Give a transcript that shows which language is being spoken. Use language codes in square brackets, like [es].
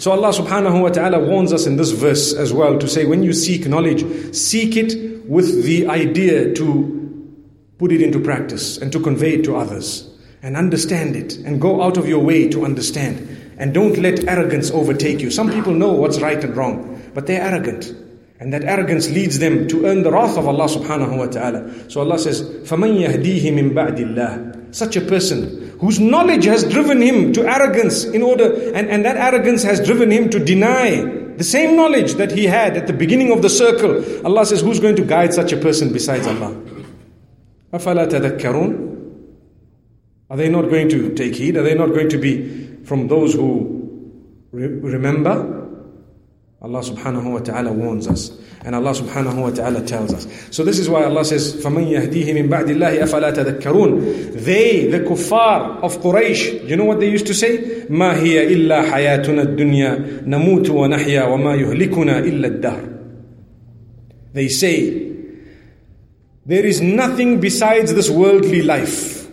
[en] So Allah subhanahu wa ta'ala warns us in this verse as well to say, when you seek knowledge, seek it with the idea to put it into practice and to convey it to others. and understand it, and go out of your way to understand, and don't let arrogance overtake you. Some people know what's right and wrong, but they're arrogant, and that arrogance leads them to earn the wrath of Allah subhanahu wa ta'ala. So Allah says, [ar] فَمَنْ يَهْدِيهِ مِنْ بَعْدِ اللَّهِ. [en] Such a person whose knowledge has driven him to arrogance in order, and that arrogance has driven him to deny the same knowledge that he had at the beginning of the circle. Allah says, who's going to guide such a person besides Allah? [ar] أَفَلَا تَذَكَّرُونَ. [en] Are they not going to take heed? Are they not going to be from those who remember? Allah subhanahu wa ta'ala warns us. And Allah subhanahu wa ta'ala tells us. So this is why Allah says, [ar] فَمَنْ يَهْدِيهِ مِنْ بَعْدِ اللَّهِ أَفَلَا تَذَكَّرُونَ. [en] They, the kuffar of Quraysh, you know what they used to say? [ar] مَا هِيَ إِلَّا حَيَاتُنَا الدُّنْيَا نَمُوتُ وَنَحْيَا وَمَا يُهْلِكُنَا إِلَّا الدَّهْرِ. [en] They say, there is nothing besides this worldly life.